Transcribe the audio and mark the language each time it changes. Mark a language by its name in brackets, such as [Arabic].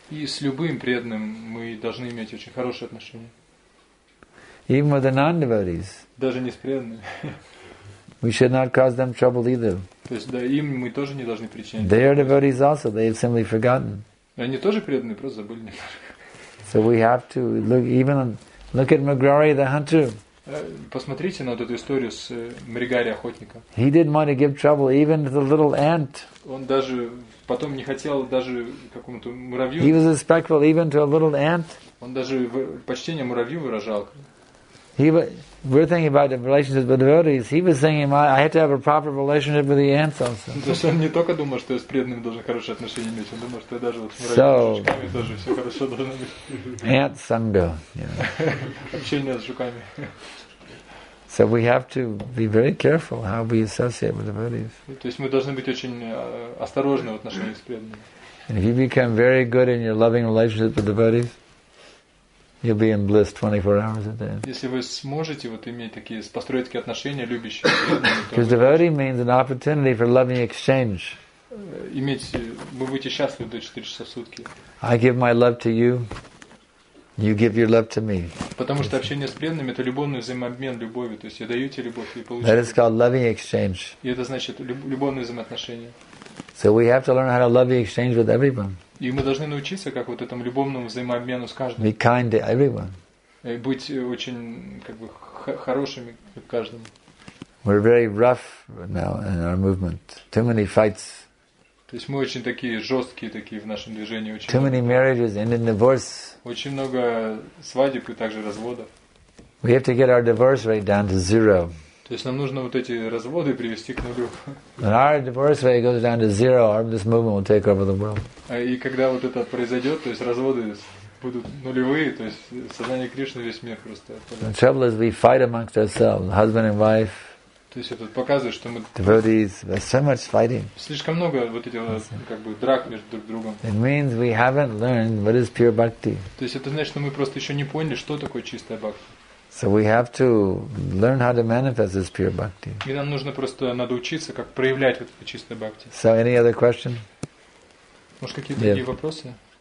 [Russian] И с любым преданным мы должны иметь очень хорошие отношения. [English] Even with the non-devotees. [Russian] Даже не с преданными. [English] We should not cause them trouble either. [Russian] То есть да, им мы тоже не должны причинять. [English] They are devotees also. They have simply forgotten. [Russian] Они тоже преданные, просто забыли немножко. [English] So we have to look at Magrari the hunter. [Russian] Посмотрите на вот эту историю с Мригари охотником. [English] He didn't want to give trouble even to the little ant. [Russian] Он даже потом не хотел даже какому-то муравью. [English] He was respectful even to a little ant. [Russian] Он даже почтение муравью выражал. [English] We're thinking about the relationship with devotees. He was thinking, I had to have a proper relationship with the ants also. [Russian] То есть он не только думал, что с преданными должен хорошие отношения иметь, он думал, что я даже вот с муравьями и тоже все хорошо должно быть. [English] Ant sangha. [Russian] Общение с жуками. [English] So we have to be very careful how we associate with devotees. [Russian] То есть мы должны быть очень осторожны в отношении с преданными. [English] And if you become very good in your loving relationship with devotees, you'll be in bliss 24 hours a day. [Russian] Если вы сможете вот иметь такие построить такие отношения любящие. [English] Because devotee means an opportunity for loving exchange. [Russian] Иметь, вы будете счастливы до 4 часа в сутки. [English] I give my love to you. You give your love to me. [Russian] Потому что общение с преданными это любовный взаимообмен любовью, то есть я даю тебе любовь и получаю. [English] That is called loving exchange. [Russian] И это значит любовные взаимоотношения. [English] So we have to learn how to love the exchange with everyone. [Russian] И мы должны научиться, как вот этому любовному взаимообмену с каждым. [English] Be kind to everyone. [Russian] И быть очень как бы хорошими к каждому. [English] We're very rough now in our movement. Too many fights. [Russian] То есть мы очень такие жесткие такие в нашем движении. Очень [English] too many marriages and in divorce. [Russian] Очень много свадеб и также разводов. [English] We have to get our divorce rate down to zero. [Russian] То есть нам нужно вот эти разводы привести к нулю. [English] When our divorce rate goes down to zero, this movement will take over the world. [Russian] И когда вот это произойдет, то есть разводы будут нулевые, то есть сознание Кришны весь мир просто. [English] The trouble is we fight amongst ourselves, husband and wife. [Russian] То есть это показывает, что мы. [English] Devotees, there's so much fighting. [Russian] Слишком много вот этих как бы драк между друг другом. [English] It means we haven't learned what is pure bhakti. [Russian] То есть это значит, что мы просто еще не поняли, что такое чистая бхакти. [English] So we have to learn how to manifest this pure bhakti. [Russian] И нам нужно просто надо учиться, как проявлять вот это чистое бхакти. [English] So any other question? [Russian] Может какие-то другие вопросы?